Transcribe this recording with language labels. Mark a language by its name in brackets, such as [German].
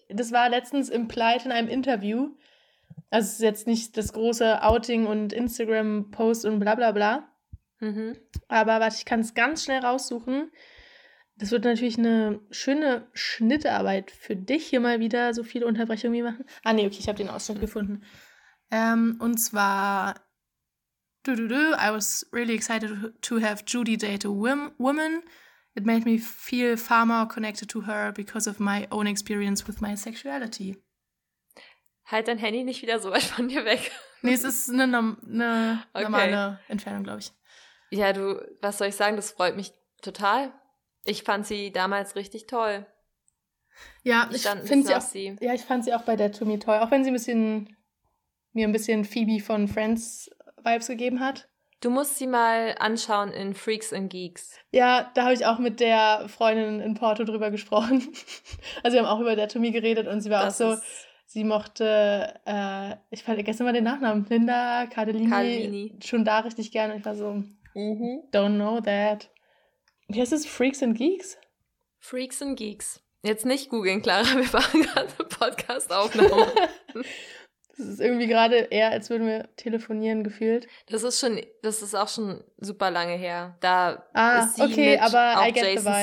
[German] Das war letztens implied in einem Interview, also es ist jetzt nicht das große Outing und Instagram-Post und bla bla bla, aber warte, ich kann es ganz schnell raussuchen. Das wird natürlich eine schöne Schnittarbeit für dich hier mal wieder, so viele Unterbrechungen wie machen. Ah nee, okay, ich habe den Ausschnitt gefunden. Und zwar, [English] I was really excited to have Judy date a woman. It made me feel far more connected to her because of my own experience with my sexuality. [German] Halt dein Handy nicht wieder so weit von dir weg. Nee, es ist eine normale Entfernung, glaube ich. Ja, du, was soll ich sagen? Das freut mich total. Ich fand sie damals richtig toll. Ja, ich finde sie auch. Sie. Ja, ich fand sie auch bei Dead to Me toll. Auch wenn sie mir ein bisschen Phoebe von Friends Vibes gegeben hat. Du musst sie mal anschauen in Freaks and Geeks. Ja, da habe ich auch mit der Freundin in Porto drüber gesprochen. Also wir haben auch über Dead to Me geredet und sie war das auch so, sie mochte, ich vergesse mal den Nachnamen, Linda Cardellini, schon da richtig gerne. Ich war so, [English] don't know that. [German] Wie heißt es, Freaks and Geeks? Freaks and Geeks. Jetzt nicht googeln, Clara, wir machen gerade eine Podcast-Aufnahme. Das ist irgendwie gerade eher, als würden wir telefonieren, gefühlt. Das ist auch schon super lange her. Da ist sie okay, mit aber auch Jason